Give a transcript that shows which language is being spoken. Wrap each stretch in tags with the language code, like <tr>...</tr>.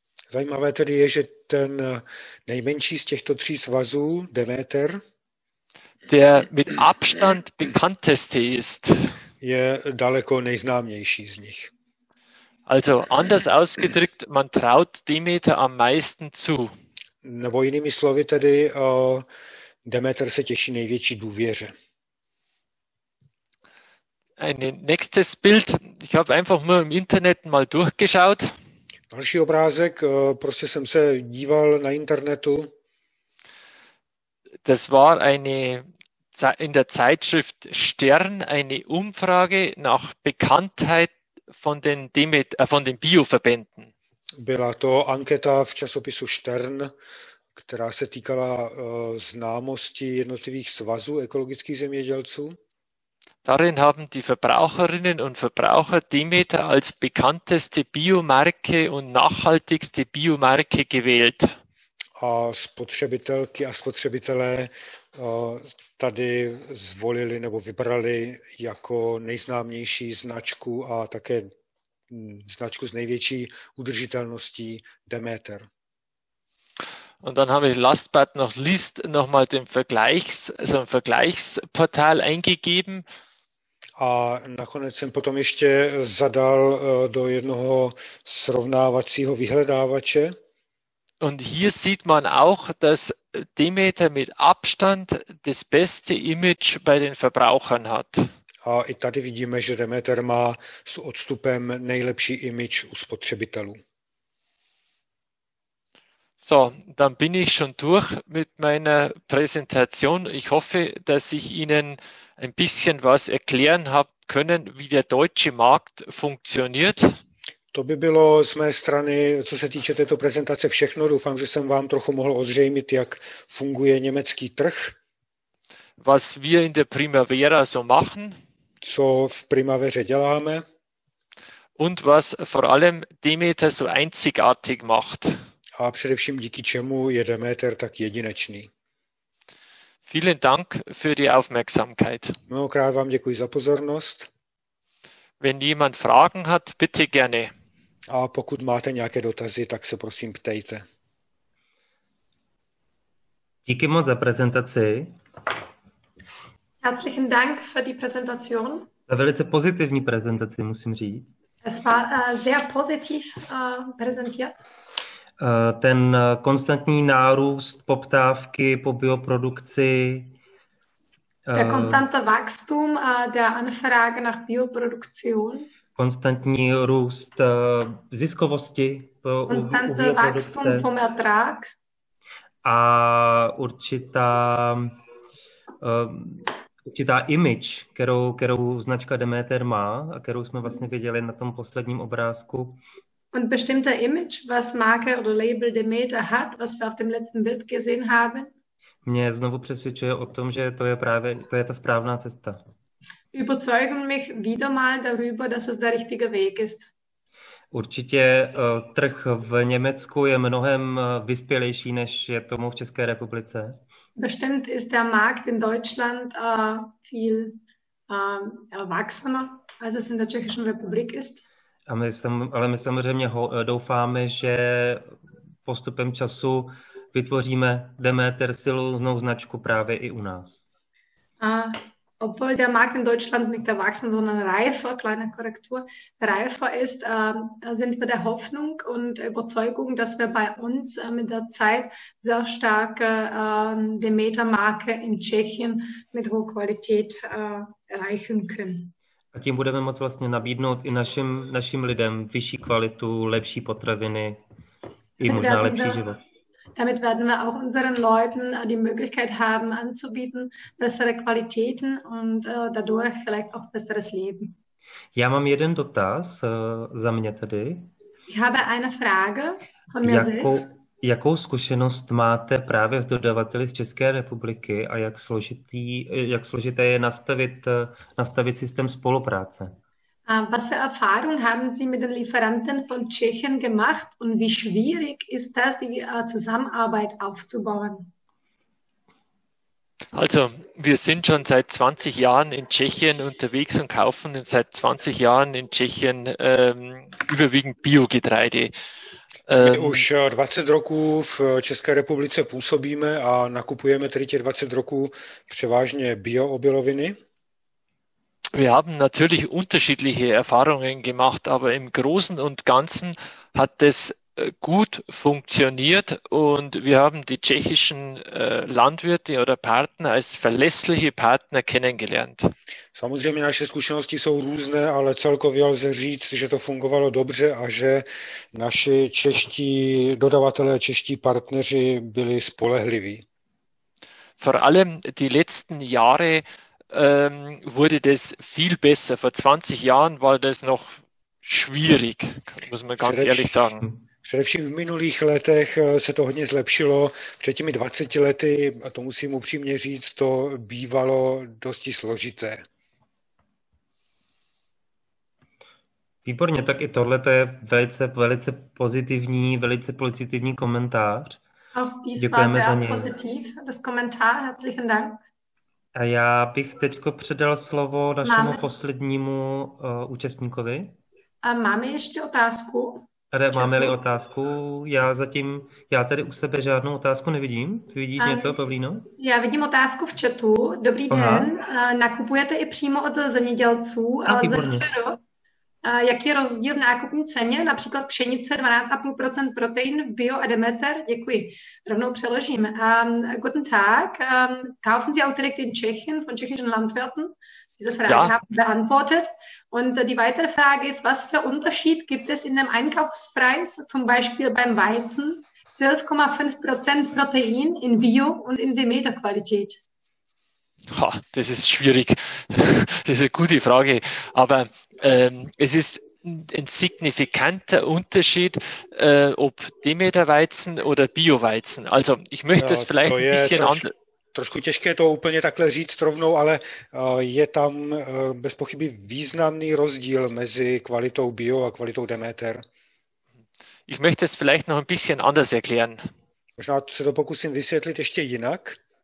<cs>zajímavé tedy je, že ten nejmenší z těchto tří svazů, Demeter,</cs> <de>der mit Abstand bekannteste ist,</de> <cs>je daleko nejznámější z nich.</cs> <de>Also anders ausgedrückt, man traut Demeter am meisten zu.</de> <cs>Nebo jinými slovy tedy, Demeter se těší největší důvěře.</cs> <de>Ein nächstes Bild. Ich habe einfach nur im Internet mal durchgeschaut.</de> <cs>Další obrázek, prostě jsem se díval na internetu.</cs> <de>Das war eine in der Zeitschrift Stern eine Umfrage nach Bekanntheit von den Demeter, von den Bioverbänden.</de> <cs>Byla to anketa v časopisu Stern která se týkala známosti jednotlivých svazů ekologických zemědělců.</cs> <de>Darin haben die Verbraucherinnen und Verbraucher Demeter als bekannteste Biomarke und nachhaltigste Biomarke gewählt.</de> <cs>A spotřebitelky a spotřebitelé tady zvolili nebo vybrali jako nejznámější značku a také značku s největší udržitelností Demeter.</cs> <de>Und dann habe ich</de> <en>last but not least</en> <de>nochmal den Vergleichs, so ein Vergleichsportal eingegeben.</de> <cs>A nakonec jsem potom ještě zadal do jednoho srovnávacího vyhledávače.</cs> <de>Und hier sieht man auch, dass Demeter mit Abstand das beste Image bei den Verbrauchern hat.</de> <cs>A i tady vidíme, že Demeter má s odstupem nejlepší image u spotřebitelů.</cs> <de>So, dann bin ich schon durch mit meiner Präsentation. Ich hoffe, dass ich Ihnen ein bisschen was erklären habe können, wie der deutsche Markt funktioniert.</de> <cs>To by bylo z mé strany, co se týče této prezentace, všechno. Doufám, že jsem vám trochu mohl ozřejmit, jak funguje německý trh.</cs> <de>Was wir in der Primavera so machen.</de> <cs>Co v Primavere děláme.</cs> <de>Und was vor allem Demeter so einzigartig macht.</de> <cs>A především díky čemu je Demeter tak jedinečný.</cs> <de>Vielen Dank für die Aufmerksamkeit.</de> <cs>Mnohokrát vám děkuji za pozornost.</cs> <de>Wenn jemand Fragen hat, bitte gerne.</de> <cs>A pokud máte nějaké dotazy, tak se prosím ptejte. Díky moc za prezentaci.</cs> <de>Herzlichen Dank für die Präsentation.</de> <cs>Za velice pozitivní prezentaci, musím říct.</cs> <de>Es war sehr positiv präsentiert.</de> <cs>Ten konstantní nárůst poptávky po bioprodukci.</cs> <de>Der konstante Wachstum der Anfrage nach Bioproduktion.</de> <cs>Konstantní růst ziskovosti</cs> <de>po konstante Wachstum vom Ertrag.</de> <cs>A určitá image, kterou značka Demeter má a kterou jsme vlastně viděli na tom posledním obrázku.</cs> <de>Und bestimmter Image, was Marke oder Label Demeter hat, was wir auf dem letzten Bild gesehen haben.</de> <cs>Mě znovu přesvědčuje o tom, že to je ta správná cesta.</cs> <de>Überzeugen mich wieder mal darüber, dass es der richtige Weg ist.</de> <cs>Určitě trh v Německu je mnohem vyspělejší, než je tomu v České republice.</cs> <de>Bestimmt ist der Markt in Deutschland viel erwachsener, als es in der Tschechischen Republik ist.</de> <cs>Ale my samozřejmě doufáme, že postupem času vytvoříme Demeter silnou značku právě i u nás.</cs> <de>Obwohl der Markt in Deutschland nicht erwachsen, sondern reifer, kleine Korrektur, reifer ist, sind wir der Hoffnung und Überzeugung, dass wir bei uns mit der Zeit sehr starke Demeter-Marke in Tschechien mit hoher Qualität erreichen können.</de> <cs>A tím budeme moct vlastně nabídnout i našim lidem vyšší kvalitu, lepší potraviny i možná lepší život.</cs> <de>Damit werden wir auch unseren Leuten die Möglichkeit haben anzubieten bessere Qualitäten und dadurch vielleicht auch besseres Leben.</de> <cs>Já mám jeden dotaz za mě tady.</cs> <de>Ich habe eine Frage von mir selbst.</de> <cs>Jakou zkušenost máte právě s dodavateli z České republiky a jak složité je nastavit systém spolupráce?</cs> <de>Was für Erfahrung haben Sie mit den Lieferanten von Tschechien gemacht und wie schwierig ist das, die Zusammenarbeit aufzubauen? Also, wir sind schon seit 20 Jahren in Tschechien unterwegs und kaufen seit 20 Jahren in Tschechien überwiegend Biogetreide.</de> <cs>My už 20 roků v České republice působíme a nakupujeme tedy těch 20 roků převážně bioobiloviny.</cs> <de>Wir haben natürlich unterschiedliche Erfahrungen gemacht, aber im Großen und Ganzen hat es gut funktioniert und wir haben die tschechischen Landwirte oder Partner als verlässliche Partner kennengelernt.</de> <cs>Samozřejmě naše zkušenosti jsou různé, ale celkově lze říct, že to fungovalo dobře a že naši čeští dodavatelé, čeští partneři byli spolehliví.</cs> <de>Vor allem die letzten Jahre wurde das viel besser. Vor 20 Jahren war das noch schwierig, muss man ganz ehrlich sagen.</de> <cs>Především v minulých letech se to hodně zlepšilo. Před těmi 20 lety, a to musím upřímně říct, to bývalo dosti složité. Výborně, tak i tohle je velice, velice pozitivní, velice pozitivní komentář. Děkujeme za něj.</cs> <de>Pozitiv, das Kommentar, herzlichen Dank.</de> <cs>A já bych teďko předal slovo našemu poslednímu účastníkovi. A máme ještě otázku? Máme-li otázku? Já tedy u sebe žádnou otázku nevidím. Vidíš něco, Pavlíno? Já vidím otázku v chatu. Dobrý den. Nakupujete i přímo od zemědělců, ale ze včera. Jaký je rozdíl v nákupní ceně? Například pšenice 12,5% protein, bio a Demeter? Děkuji. Rovnou přeložím.</cs> <de>Guten Tag. Kaufen Sie auch direkt in Tschechien von tschechischen Landwirten? Diese Frage haben wir beantwortet. Und die weitere Frage ist, was für Unterschied gibt es in dem Einkaufspreis, zum Beispiel beim Weizen, 12,5% Protein in Bio und in Demeter-Qualität? Ha, das ist schwierig. Das ist eine gute Frage. Aber es ist ein signifikanter Unterschied, ob Demeter-Weizen oder Bio-Weizen. Also ich möchte es vielleicht ein bisschen anders.</de> <cs>Trošku těžké to úplně takhle říct rovnou, ale je tam bez pochyby významný rozdíl mezi kvalitou bio a kvalitou Demeter.</cs> <de>Ich möchte es vielleicht noch ein bisschen anders erklären.</de> <cs>Možná se to pokusím vysvětlit ještě jinak.</cs>